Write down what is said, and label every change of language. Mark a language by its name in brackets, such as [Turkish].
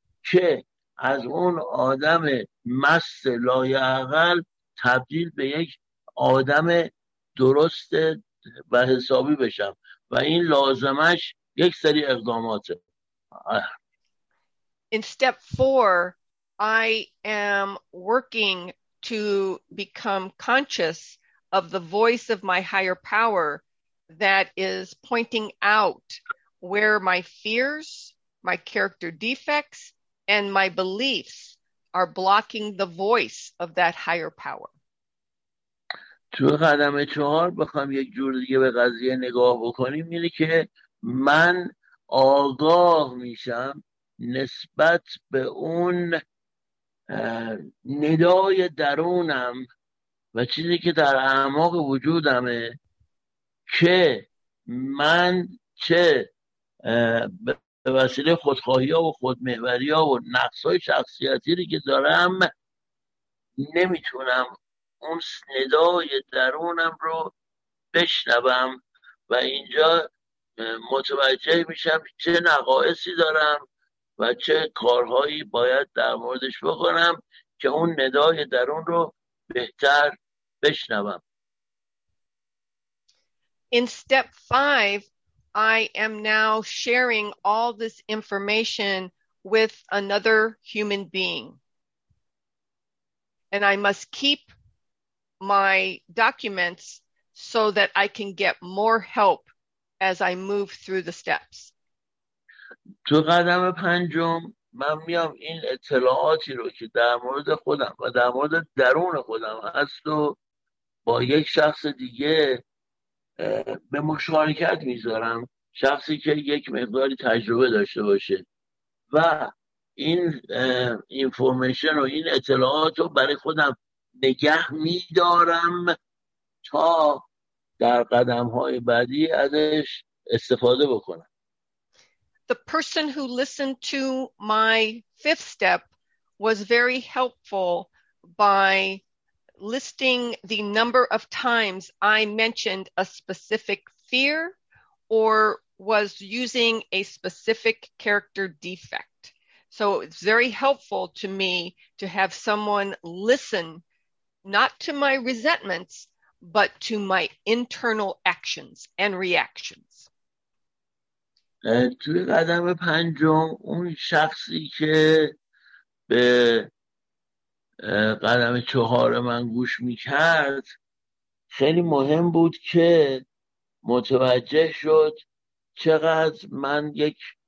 [Persian] که از اون آدم مست لایعقل تبدیل به یک آدم درست و حسابی بشم و این لازمش یک سری اقداماته. [English] In step 4, I am working to become conscious of the voice of my higher power that is pointing out where my fears, my character defects, and my beliefs are blocking the voice of that higher power. [Persian] تو قدم 4 بخوام یک جور دیگه به قضیه نگاه بکنیم، اینه که من آگاه میشم نسبت به اون ندای درونم و چیزی که در اعماق وجودمه که من چه به وسیله خودخواهی ها و خودمحوری ها و نقص های شخصیتی رو که دارم نمیتونم اون ندای درونم رو بشنوم و اینجا متوجه میشم چه نقایصی دارم و چه کارهایی باید در موردش بکنم که اون ندای درون رو بهتر بشنوم. [English] In step 5, I am now sharing all this information with another human being. And I must keep my documents so that I can get more help as I move through the steps. [Persian] تو قدم 5 من میام این اطلاعاتی رو که در مورد خودم و در مورد درون خودم هست و با یک شخص دیگه به مشارکت میذارم، شخصی که یک مقداری تجربه داشته باشه و این اینفورمیشن و این اطلاعات رو برای خودم نگه میدارم تا در قدم های بعدی ازش استفاده بکنم. [English] The person who listened to my 5th step was very helpful by listing the number of times I mentioned a specific fear or was using a specific character defect. So it's very helpful to me to have someone listen, not to my resentments, but to my internal actions and reactions. [Persian] توی قدم 5 اون شخصی که به قدم 4 من گوش می کرد خیلی مهم بود که متوجه شد چقدر من یک